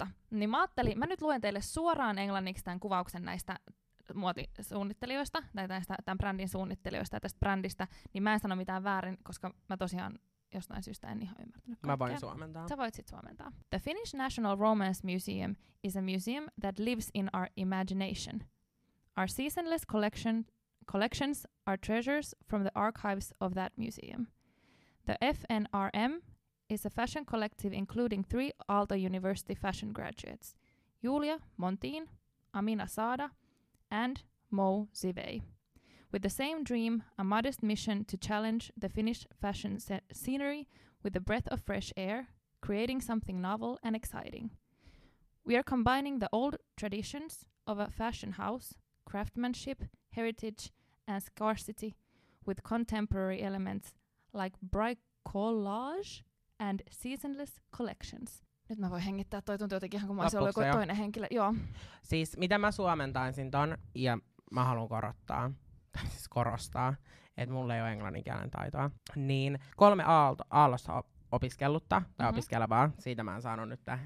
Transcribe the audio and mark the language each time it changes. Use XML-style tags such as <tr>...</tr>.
<fi>Niin mä ajattelin, mä nyt luen teille suoraan englanniksi tämän kuvauksen näistä muotisuunnittelijoista, tai tämän brändin suunnittelijoista ja tästä brändistä, niin mä en sano mitään väärin, koska mä tosiaan jostain syystä en ihan ymmärtänyt kaikkea. Mä voin suomentaa. Sä voit sit suomentaa.</fi> <en>The Finnish National Romance Museum is a museum that lives in our imagination. Our seasonless collections are treasures from the archives of that museum. The FNRM is a fashion collective including 3 Aalto University fashion graduates. Julia Montin, Amina Saada, and Mo Zivei. With the same dream, a modest mission to challenge the Finnish fashion scenery with a breath of fresh air, creating something novel and exciting. We are combining the old traditions of a fashion house, craftsmanship, heritage, and scarcity with contemporary elements like bricolage and seasonless collections.</en> <fi>Nyt mä voin hengittää, toi tuntuu jotenkin ihan kuin mä olisin ollut joku toinen henkilö. Joo. Siis mitä mä suomentaisin ton, ja mä haluan korostaa, että mulla ei ole englanninkielen taitoa, niin 3 aallossa opiskellutta, tai opiskelevaa, siitä mä en saanut nyt</fi>